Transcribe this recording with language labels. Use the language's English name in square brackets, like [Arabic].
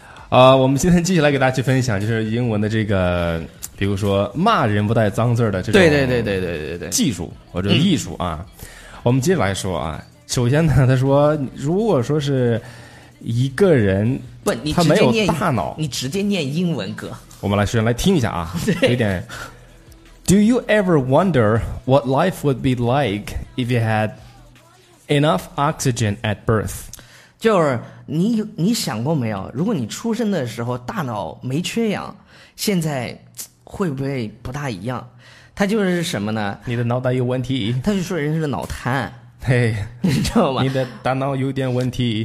[Chinese] ？OK, 我们今天继续来给大家去分享，就是英文的这个，比如说骂人不带脏字的这种，对对对对对对对，技术或者艺术啊。我们接着来说啊，首先呢，他说，如果说是一个人，不，你他没有大脑，你直接念英文歌。我们来首先来听一下啊，有点。 [English] Do you ever wonder what life would be like if you had enough oxygen at birth? [Chinese] 就是你想过没有，如果你出生的时候大脑没缺氧，现在会不会不大一样？它就是什么呢？你的脑袋有问题。他就说人是脑瘫。嘿，你知道吗？你的大脑有点问题。